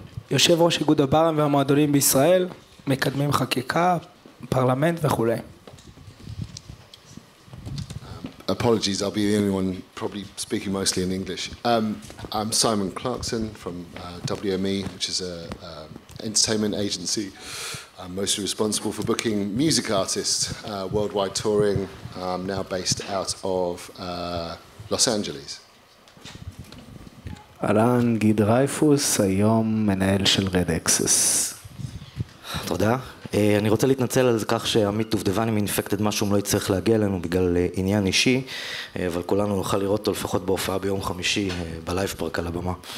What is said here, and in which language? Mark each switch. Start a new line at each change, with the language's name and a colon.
Hebrew: יושב ראש איגוד הברים והמועדונים בישראל, מקדמים חקיקה, פרלמנט וכולי.
English: Apologies, I'll be the only one probably speaking mostly in English. I'm Simon Clarkson from WME, which is an entertainment agency. I'm mostly responsible for booking music artists, worldwide touring, now based out of Los Angeles.
Hebrew: אלן גי דרייפוס, היום מנהל של רד אקסס. תודה. אני רוצה להתנצל על כך שעמית דובדבני מאינפקטד משהו לא יצטרך להגיע אלינו בגלל עניין אישי, אבל כולנו נוכל לראות אותו לפחות בהופעה ביום חמישי בלייב פארק על הבמה.